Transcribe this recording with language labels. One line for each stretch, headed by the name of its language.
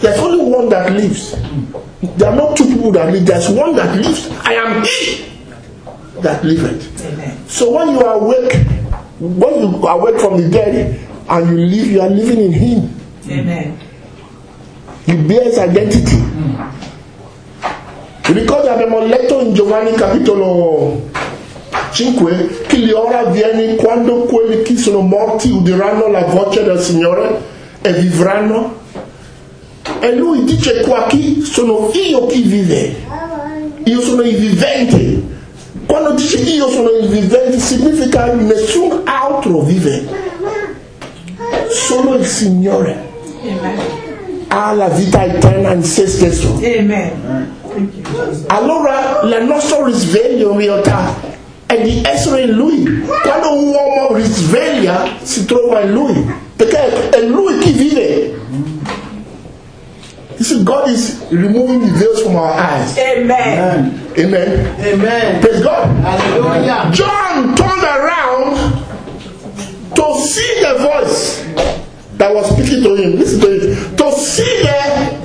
English: There's only one that lives. There are not two people that live. There's one that lives. I am he that liveth. So when you are awake, when you are awake from the dead and you live, you are living in him. Amen. He bears identity.
Italian: Ricordi abbiamo letto in Giovanni capitolo 5 che l'ora viene quando quelli che sono morti udiranno la voce del Signore e vivranno. E lui dice qua chi sono io chi vive. Io sono il vivente. Quando dice io sono il vivente significa nessun altro vive. Solo il Signore ha la vita eterna in se stesso. Amen. Allora la nostra risveglia in realtà è di essere in lui. Quando un uomo risveglia si trova in lui, perché è lui chi vive.
English: You see, God is removing the veils from our eyes. Amen. Amen. Amen. Amen. Praise God. Hallelujah. John turned around to see the voice that was speaking to him. Listen to it. To see the